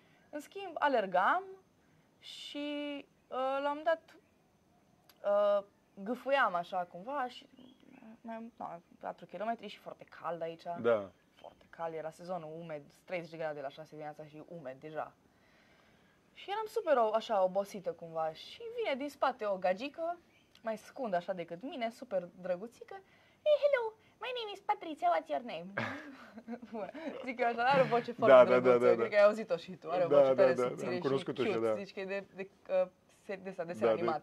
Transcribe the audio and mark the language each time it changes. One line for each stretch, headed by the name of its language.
Romanian: În schimb, alergam. Și la un moment dat gâfuiam așa cumva și mai am 4 km și foarte cald aici. Da. Foarte cald, era sezonul umed, 30 de grade la 6 dimineața și umed deja. Și eram super așa obosită cumva și vine din spate o gagică, mai scundă așa decât mine, super drăguțică.
English: Hey, hello, my name is Patricia, what's your name?
Romanian: Zic eu așa, are o voce foarte drăguță, cred că ai auzit-o și tu. Are o voce tare subțire și cute, zici că e de desen animat.